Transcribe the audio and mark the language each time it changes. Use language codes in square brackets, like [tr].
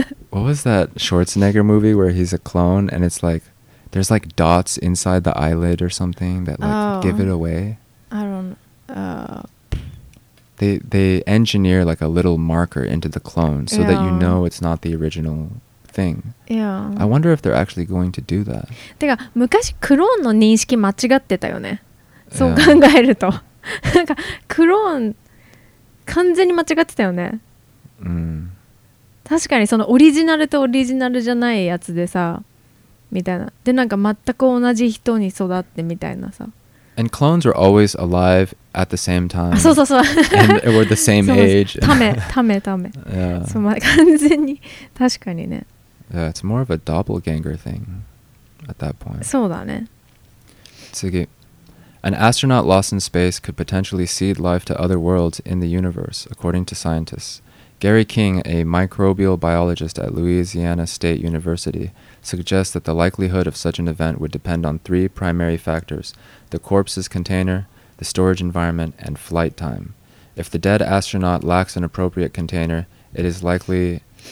[en] What was that Schwarzenegger movie where he's a clone and it's like, there's like dots inside the eyelid or something that like give it away? I don't know. They engineer like a little marker into the clone so that you know it's not the original thing. Yeah. I wonder if they're actually going to do that. [ja] てか昔クローンの認識間違ってたよね。そう考えると、なんかクローン完全に間違ってたよね。うん。確かにそのオリジナルとオリジナルじゃないやつでさ、みたいな。でなんか全く同じ人に育ってみたいなさ。 [en] And clones are always alive at the same time. [ja] そうそうそう。 [en] And we're the same age. [ja] ため。 [en] Yeah. [ja] そう、まあ、完全に、確かにね。 [en] Yeah, it's more of a doppelganger thing at that point. [ja] そうだね。次。 [en] An astronaut lost in space could potentially seed life to other worlds in the universe, according to scientists. Gary King, a microbial biologist at Louisiana State University, suggests that the likelihood of such an event would depend on three primary factors: the corpse's container, the storage environment, and flight time. If the dead astronaut lacks an appropriate container, it is likely